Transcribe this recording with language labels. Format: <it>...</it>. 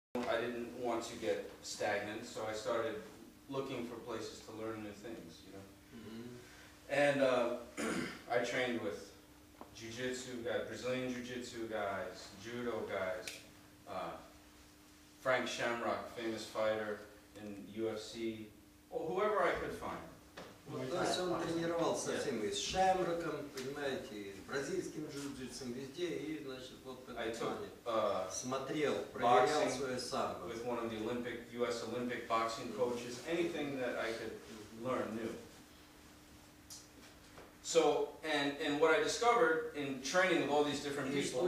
<en>I didn't want to get stagnant, so I started looking for places to learn new things, you know. Mm-hmm. And I trained with jiu-jitsu guys, Brazilian jiu-jitsu guys, judo guys, Frank Shamrock, famous fighter in UFC, or whoever I could find.</en> <ru>Он тренировался со всеми, с Шамроком, понимаете, с бразильским джиу-джитсом везде, и, значит, вот в этой плане смотрел, проверял свое самбо.</ru> <en>With one of the Olympic, US Olympic boxing coaches, anything that I could learn new. So, and what I discovered in training with all these different people,</en>